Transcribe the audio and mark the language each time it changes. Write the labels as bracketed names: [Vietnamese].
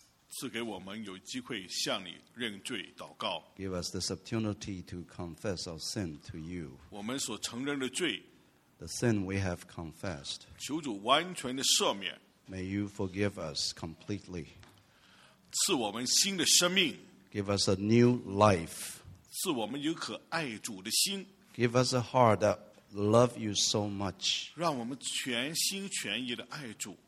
[Chinese] 赐给我们有机会向你认罪祷告。 [English] Give us this opportunity to confess our sin to you. [Chinese] 我们所承认的罪。 [English] The sin we have confessed. [Chinese] 求主完全的赦免。 [English] May you forgive us completely. [Chinese] 赐我们新的生命。 [English] Give us a new life. [Chinese] 赐我们有可爱主的心。 [English] Give us a heart that loves you so much. [Chinese] 让我们全心全意的爱主。